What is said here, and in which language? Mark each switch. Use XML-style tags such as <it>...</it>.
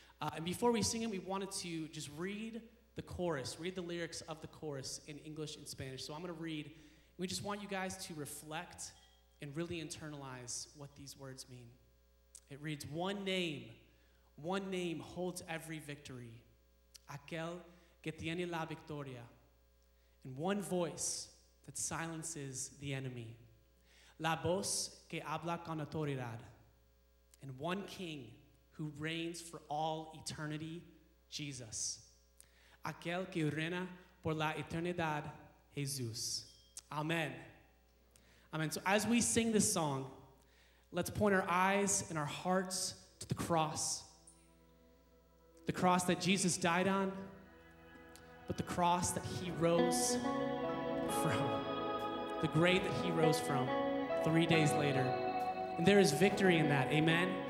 <en>And before we sing it, we wanted to just read the chorus, read the lyrics of the chorus in English and Spanish. So I'm going to read. We just want you guys to reflect and really internalize what these words mean. It reads, one name holds every victory.</en> <es>Aquel que tiene la victoria.</es> <en>And one voice that silences the enemy.</en> <es>La voz que habla con autoridad.</es> <en>And one king who reigns for all eternity, Jesus.</en> <es>Aquel que reina por la eternidad, Jesús.</es> <en>Amen. Amen. So as we sing this song, let's point our eyes and our hearts to the cross. The cross that Jesus died on, but the cross that he rose from. The grave that he rose from 3 days later. And there is victory in that. Amen.</en>